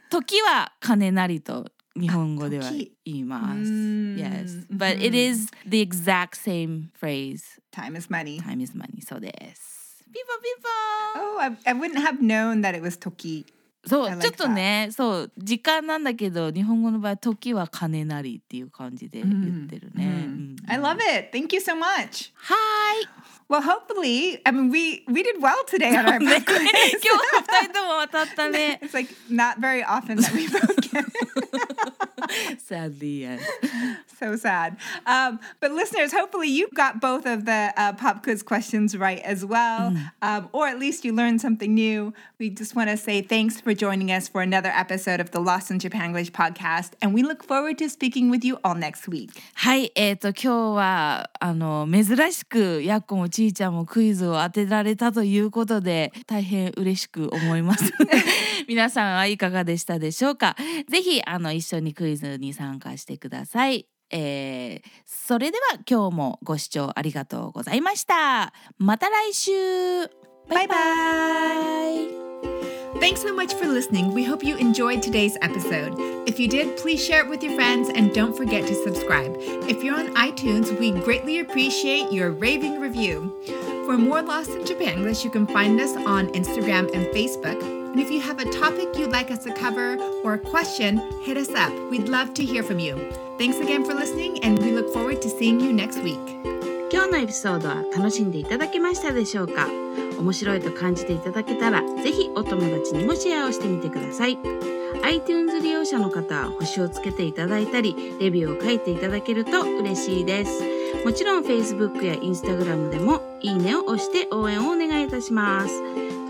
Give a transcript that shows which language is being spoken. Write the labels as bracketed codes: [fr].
[ja] 時は金なりと日本語では言います。 Mm-hmm. [en] Yes, but it is the exact same phrase. Time is money. Time is money. [ja] そうです。 [en] ピポピポ。 Oh, I wouldn't have known that it was 時。 [ja] そう、like、ちょっとね、そう時間なんだけど日本語の場合時は金なりっていう感じで言ってるね。 Mm-hmm. [en] Mm-hmm. I love it. Thank you so much. Hi. Well, hopefully, I mean, we did well today on our pop quiz. [ja] 今日2人とも当たったね。 [en] It's like not very often that we both get. Sadly, yes. So sad. But listeners, hopefully you got both of the pop quiz questions right as well. Or at least you learned something new. We just want to say thanks for joining us for another episode of the Lost in Japanglish podcast. And we look forward to speaking with you all next week. [ja] はい、今日はあの珍しくやっこもちーちゃんもクイズを当てられたということで大変嬉しく思います皆さんはいかがでしたでしょうか。ぜひあの一緒にクイズに参加してください、それでは今日もご視聴ありがとうございました。また来週。バイバイ。バイバイ。 [en] Thanks so much for listening. We hope you enjoyed today's episode. If you did, please share it with your friends and don't forget to subscribe. If you're on iTunes, we greatly appreciate your raving review. For more Lost in Japanglish, you can find us on Instagram and Facebook. And if you have a topic you'd like us to cover or a question, hit us up. We'd love to hear from you. Thanks again for listening and we look forward to seeing you next week. [ja] 今日のエピソードは楽しんでいただけましたでしょうか?面白いと感じていただけたら、ぜひお友達にもシェアをしてみてください。 iTunes 利用者の方は星をつけていただいたり、レビューを書いていただけると嬉しいです。もちろん Facebook や Instagram でもいいねを押して応援をお願いいたします。